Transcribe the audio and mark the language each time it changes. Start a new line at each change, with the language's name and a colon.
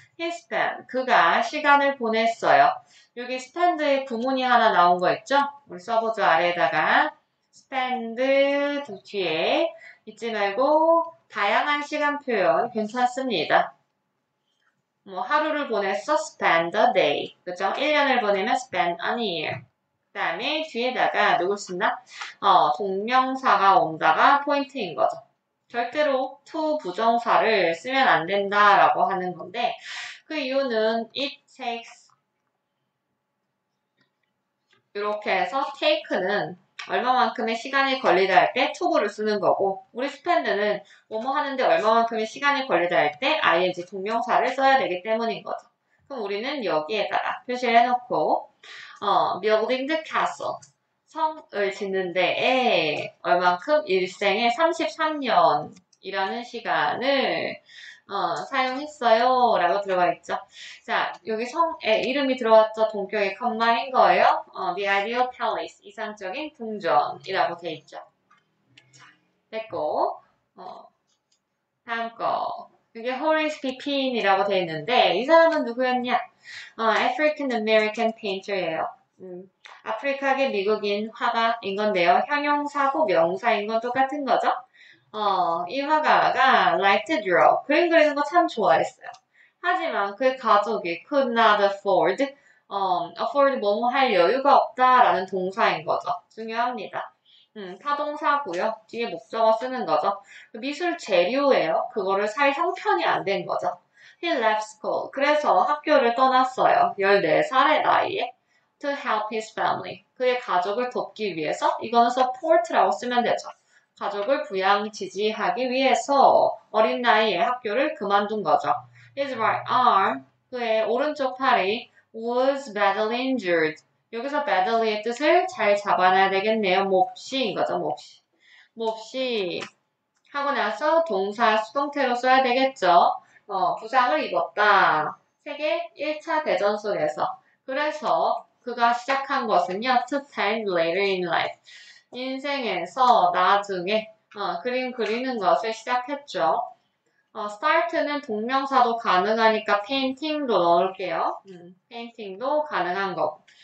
English: He spent,
Korean: 그가 시간을 보냈어요. 여기 spend에 구문이 하나 나온 거 있죠? 우리 서버즈 아래에다가 spend 두 뒤에 잊지 말고 다양한 시간 표현 괜찮습니다. 뭐 하루를 보냈어?
English: spend a day.
Korean: 그죠? 1년을 보내면
English: spend a year.
Korean: 그 다음에 뒤에다가 누굴 쓴다? 동명사가 온다가 포인트인 거죠. 절대로 to 부정사를 쓰면 안 된다라고 하는 건데 그 이유는
English: it takes
Korean: 이렇게 해서 take는 얼마만큼의 시간이 걸리다 할때 to를 쓰는 거고 우리 spend는 뭐뭐 하는데 얼마만큼의 시간이 걸리다 할때 ing 동명사를 써야 되기 때문인 거죠. 그럼 우리는 여기에다가 표시를 해놓고
English: building the castle.
Korean: 성을 짓는데, 얼만큼 일생의 33년이라는 시간을, 사용했어요. 라고 들어가 있죠. 자, 여기 성의 이름이 들어왔죠. 동격의 컴마인 거예요.
English: The ideal palace.
Korean: 이상적인 궁전이라고 돼 있죠. 됐고, 다음 거. 이게 Horace Pippin이라고 돼 있는데, 이 사람은 누구였냐?
English: African American painter예요.
Korean: 아프리카계 미국인 화가인 건데요. 형용사고 명사인 건 똑같은 거죠. 이 화가가
English: like to draw,
Korean: 그림 그리는 거참 좋아했어요. 하지만 그 가족이
English: could not afford
Korean: 뭐뭐 할 여유가 없다라는 동사인 거죠. 중요합니다. 타동사고요. 뒤에 목적어 쓰는 거죠. 미술 재료예요. 그거를 살 형편이 안된 거죠.
English: He left school.
Korean: 그래서 학교를 떠났어요. 14살의 나이에.
English: To help his family.
Korean: 그의 가족을 돕기 위해서, 이거는 support라고 쓰면 되죠. 가족을 부양 지지하기 위해서 어린 나이에 학교를 그만둔 거죠.
English: His right arm,
Korean: 그의 오른쪽 팔이
English: was badly injured.
Korean: 여기서 badly의 뜻을 잘 잡아놔야 되겠네요. 몹시인 거죠, 몹시. 몹시. 하고 나서 동사 수동태로 써야 되겠죠. 부상을 입었다. 세계 1차 대전 속에서. 그래서 그가 시작한 것은요,
English: to paint later in life.
Korean: 인생에서 나중에, 그림 그리는 것을 시작했죠. start는 동명사도 가능하니까 painting도 넣을게요. painting도 가능한 거고.